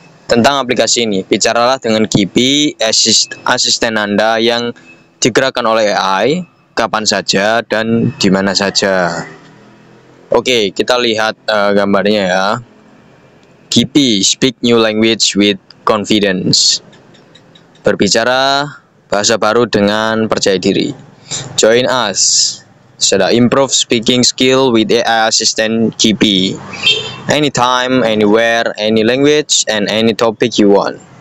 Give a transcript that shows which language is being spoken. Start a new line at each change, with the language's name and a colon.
Indonesian: Tentang aplikasi ini, bicaralah dengan Kipi, asisten Anda yang digerakkan oleh AI, kapan saja dan di mana saja. Oke, kita lihat gambarnya ya.
English: Kipi, speak new language with confidence.
Indonesian: Berbicara bahasa baru dengan percaya diri.
English: Join us. Sudah improve speaking skill with AI assistant GP. Anytime, anywhere, any language and any topic you want.